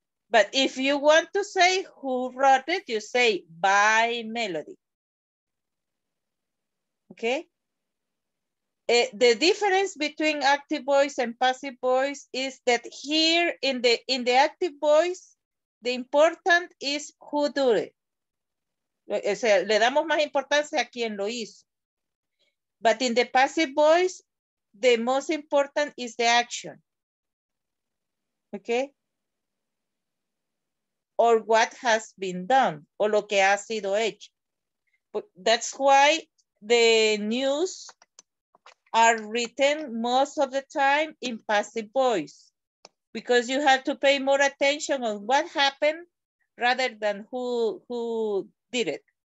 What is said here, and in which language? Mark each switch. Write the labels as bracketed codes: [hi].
[en] But if you want to say who wrote it, you say by Melody. Okay. The difference between active voice and passive voice is that here in the active voice, the important is who do it. [es] O sea, le damos más importancia a quien lo hizo. [en] But in the passive voice, the most important is the action. Okay. Or what has been done, [es] o lo que ha sido hecho. [en] But that's why the news are written most of the time in passive voice, because you have to pay more attention on what happened rather than who did it.